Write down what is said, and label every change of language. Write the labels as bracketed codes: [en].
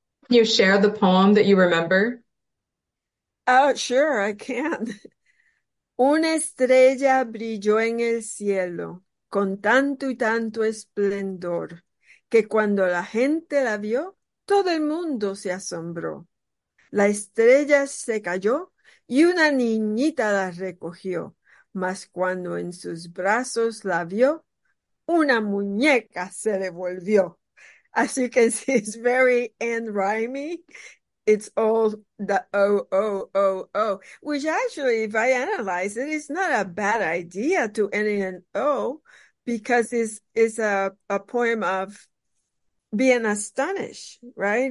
[en] Can you share the poem that you remember? Oh, sure, I can. [es] Una estrella brilló en el cielo con tanto y tanto esplendor, que cuando la gente la vio, todo el mundo se asombró. La estrella se cayó y una niñita la recogió, mas cuando en sus brazos la vio, una muñeca se devolvió. [en] As you can see, it's very end rhymey. It's all the O-O-O-O, which actually, if I analyze it, it's not a bad idea to end in an O, because it's a poem of being astonished, right?